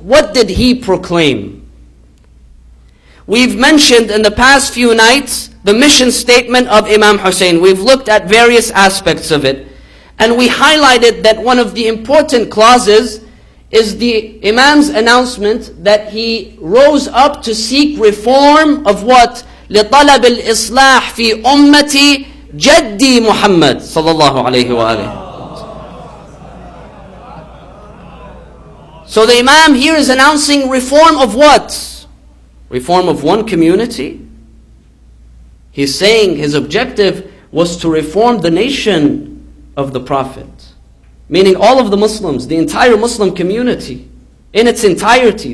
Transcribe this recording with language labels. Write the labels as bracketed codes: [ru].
[en] What did he proclaim? We've mentioned in the past few nights the mission statement of Imam Hussein. We've looked at various aspects of it. And we highlighted that one of the important clauses is the Imam's announcement that he rose up to seek reform of what? [ar] لطلب الإصلاح في أمتي جدي محمد صلى الله عليه وآله. [en] So the Imam here is announcing reform of what? Reform of one community? He's saying his objective was to reform the nation of the Prophet. meaning all of the Muslims, the entire Muslim community, in its entirety.